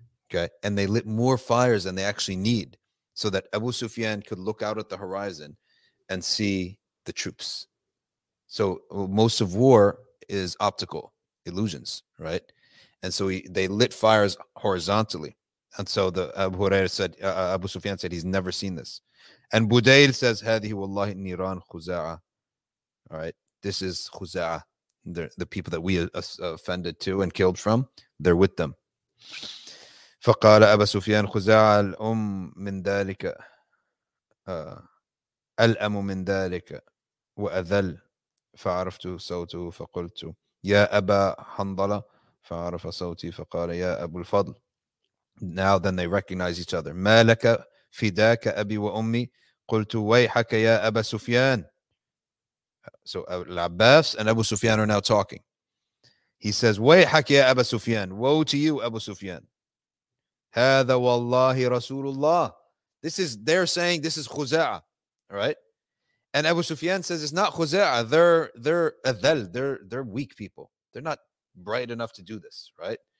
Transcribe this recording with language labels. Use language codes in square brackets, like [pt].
[en] Okay, and they lit more fires than they actually need, so that Abu Sufyan could look out at the horizon and see the troops. So most of war is optical illusions, right? And so they lit fires horizontally. And so the Abu Sufyan said, he's never seen this. And Budail says, [ar] هذه والله نيران خزاعة. [en] All right, this is خزاعة. The people that we offended to and killed from, they're with them. [ar] فقال أبا سفيان خزاعة الأم من ذلك ألأم من ذلك وأذل فعرفت صوته فقلت يا أبا حنظلة فعرف صوتي فقال يا أبو الفضل. [en] Now then they recognize each other. [ar] ما لك فداك أبي وأمي قلت ويحك يا أبا سفيان. [en] So العباس and أبو سفيان are now talking. He says [ar] ويحك يا أبا سفيان. [en] Woe to you أبو سفيان. [ar] هذا والله رسول الله. [en] This is, they're saying this is خزاعة, right? And Abu Sufyan says it's not خزاعة. They're أذل. They're weak people. They're not bright enough to do this, right?